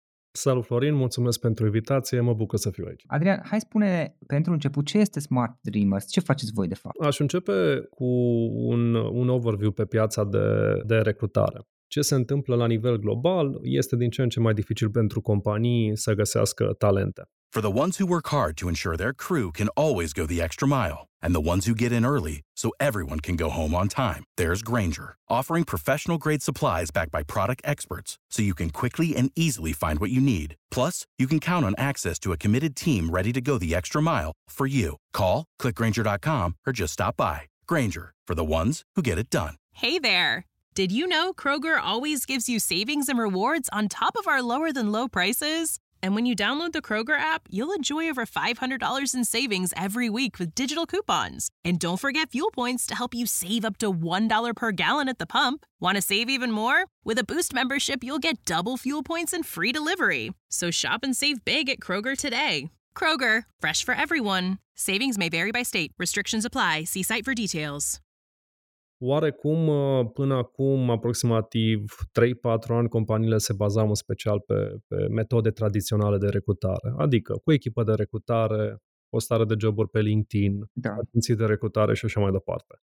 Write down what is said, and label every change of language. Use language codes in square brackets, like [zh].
[ro] Salut, Florin, mulțumesc pentru invitație, mă bucur să fiu aici. Adrian, hai spune pentru început, ce este Smart Dreamers? Ce faceți voi, de fapt? Aș începe cu un overview pe piața de recrutare. Ce se întâmplă la nivel global este din ce în ce mai dificil pentru companii să găsească talente. [en] For the ones who work hard to ensure their crew can always go the extra mile, and the ones who get in early so everyone can go home on time, there's Grainger, offering professional-grade supplies backed by product experts so you can quickly and easily find what you need. Plus, you can count on access to a committed team ready to go the extra mile for you. Call, click Grainger.com, or just stop by. Grainger, for the ones who get it done. Hey there. Did you know Kroger always gives you savings and rewards on top of our lower-than-low prices? And when you download the Kroger app, you'll enjoy over $500 in savings every week with digital coupons. And don't forget fuel points to help you save up to $1 per gallon at the pump. Want to save even more? With a Boost membership, you'll get double fuel points and free delivery. So shop and save big at Kroger today. Kroger, fresh for everyone. Savings may vary by state. Restrictions apply. See site for details. [ro] Oarecum, până acum, aproximativ 3-4 ani, companiile se bazau în special pe metode tradiționale de recrutare, adică cu echipă de recrutare, postare de joburi pe LinkedIn, agenții de recrutare și așa mai departe.